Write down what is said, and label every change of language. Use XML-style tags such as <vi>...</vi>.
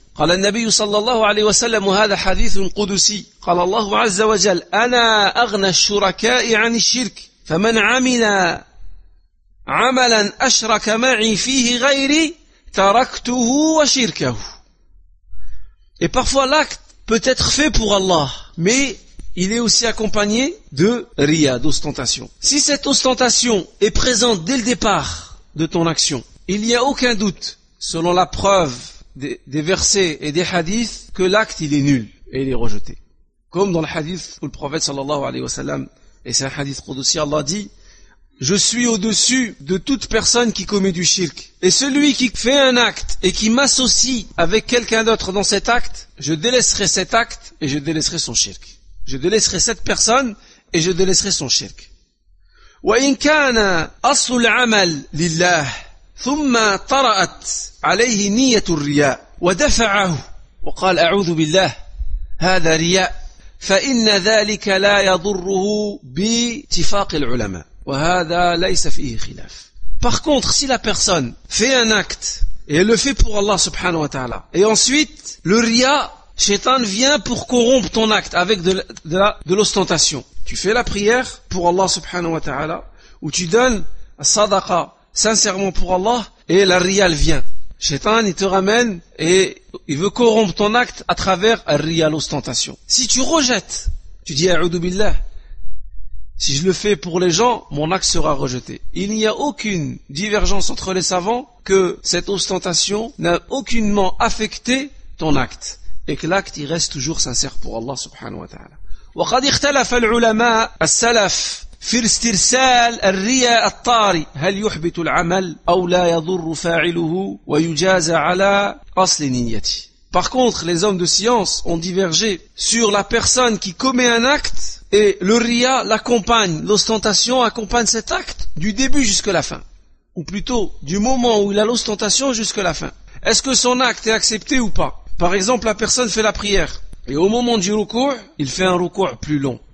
<ar>قال النبي صلى الله عليه وسلم هذا حديث قدسي قال الله عز وجل أنا أغنى الشركاء عن الشرك فمن عمل عملا أشرك معي فيه غيري تركته وشركه.</ar> <fr>Et parfois l'acte peut être fait pour Allah, mais il est aussi accompagné de riya, d'ostentation. Si cette ostentation est présente dès le départ de ton action, il n'y a aucun doute, selon la preuve des versets et des hadiths, que l'acte il est nul et il est rejeté. Comme dans le hadith où le prophète sallallahu alayhi wa sallam, et c'est un hadith qudsi, Allah dit, je suis au-dessus de toute personne qui commet du shirk. Et celui qui fait un acte et qui m'associe avec quelqu'un d'autre dans cet acte, je délaisserai cet acte et je délaisserai son shirk. Je délaisserai cette personne et je délaisserai son shirk.</fr> <ar>وَإِنْ كَانَ أَصْلُ الْعَمَلْ لِلَّهِ ثم طرأت عليه نية الرياء ودفعه وقال أعوذ بالله هذا رياء فإن ذلك لا يضره باتفاق العلماء وهذا ليس فيه خلاف.</ar> <fr>Par contre, si la personne fait un acte et elle le fait pour Allah subhanahu wa ta'ala, et ensuite le ria, Shaitan vient pour corrompre ton acte avec de l'ostentation. Tu fais la prière pour Allah subhanahu wa ta'ala ou tu donnes sadaqa sincèrement pour Allah, et la riya vient. Shaitan, il te ramène et il veut corrompre ton acte à travers la riya, l'ostentation. Si tu rejettes, tu dis a'udhu billah, si je le fais pour les gens, mon acte sera rejeté. Il n'y a aucune divergence entre les savants que cette ostentation n'a aucunement affecté ton acte et que l'acte il reste toujours sincère pour Allah subhanahu wa ta'ala.</fr> <ar>Wa qad ikhtalafa al-ulama as-salaf في استرسال الرياء الطاري هل يحبط العمل أو لا يضر فاعله ويجازى على أصل نيته.</ar> <fr>Par contre, les hommes de science ont divergé sur la personne qui commet un acte et le ria l'accompagne, l'ostentation accompagne cet acte du début jusqu'à la fin, ou plutôt du moment où il a l'ostentation jusqu'à la fin. Est-ce que son acte est accepté ou pas? Par exemple, la personne fait la prière et au moment du ruku', il fait un ruku' plus long.</fr>